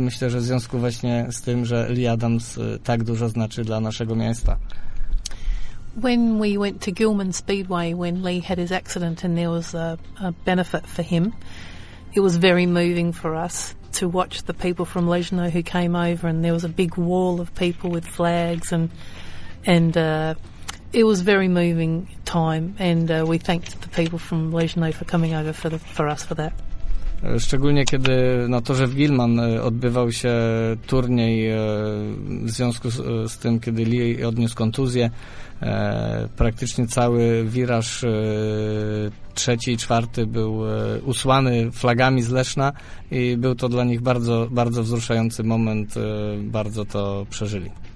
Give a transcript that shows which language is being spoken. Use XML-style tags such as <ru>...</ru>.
<pl>Myślę, że w związku właśnie z tym, że Lee Adams tak dużo znaczy dla naszego miasta.</pl> <en>When we went to Gilman Speedway, when Lee had his accident and there was a benefit for him, it was very moving for us to watch the people from Legno who came over, and there was a big wall of people with flags, and it was very moving time, and we thanked the people from Legno for coming over for us for that.</en> <pl>Szczególnie kiedy na torze w Gilman odbywał się turniej w związku z tym, kiedy Lee odniósł kontuzję, praktycznie cały wiraż trzeci i czwarty był usłany flagami z Leszna i był to dla nich bardzo, bardzo wzruszający moment, bardzo to przeżyli.</pl>